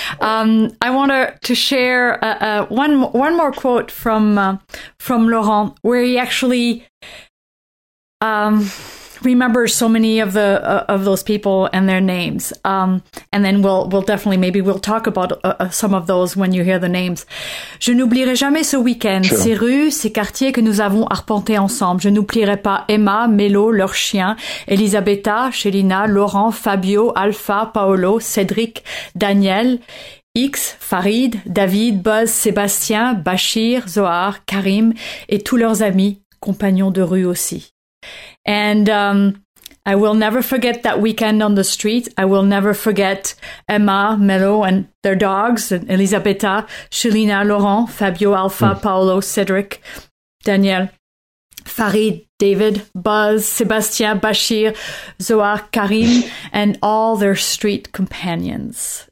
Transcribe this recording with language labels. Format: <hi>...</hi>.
<en>I want to share one more quote from Laurent, where he actually remember so many of those people and their names. And then we'll talk about some of those when you hear the names.</en> <fr>Je n'oublierai jamais ce week-end, sure. Ces rues, ces quartiers que nous avons arpentés ensemble. Je n'oublierai pas Emma, Mélo, leur chien, Elisabetta, Chelina, Laurent, Fabio, Alpha, Paolo, Cédric, Daniel, X, Farid, David, Buzz, Sébastien, Bachir, Zohar, Karim et tous leurs amis, compagnons de rue aussi.</fr> <en>And I will never forget that weekend on the street. I will never forget Emma, Melo, and their dogs, and Elisabetta, Shelina, Laurent, Fabio, Alpha, Paolo, Cedric, Daniel, Farid, David, Buzz, Sébastien, Bashir, Zohar, Karim, and all their street companions.</en>